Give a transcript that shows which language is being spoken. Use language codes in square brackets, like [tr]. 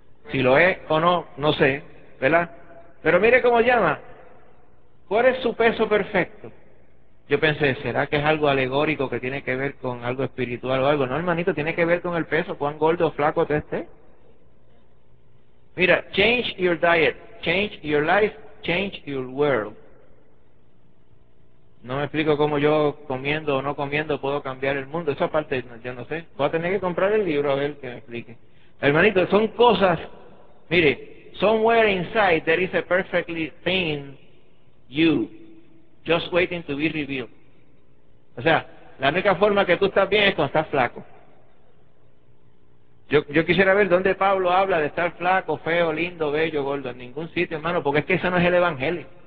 [es] Si lo es o no, no sé, ¿verdad? Pero mire cómo llama. ¿Cuál es su peso perfecto? Yo pensé, ¿será que es algo alegórico que tiene que ver con algo espiritual o algo? No, hermanito, tiene que ver con el peso, cuán gordo o flaco te esté. Mira, [en] change your diet, change your life, change your world. [es] No me explico cómo yo comiendo o no comiendo puedo cambiar el mundo. Esa parte yo no sé. Voy a tener que comprar el libro a ver que me explique. Hermanito, son cosas, mire, [en] somewhere inside there is a perfectly thin you, just waiting to be revealed. [es] O sea, la única forma que tú estás bien es cuando estás flaco. Yo quisiera ver dónde Pablo habla de estar flaco, feo, lindo, bello, gordo. En ningún sitio, hermano, porque es que ese no es el evangelio.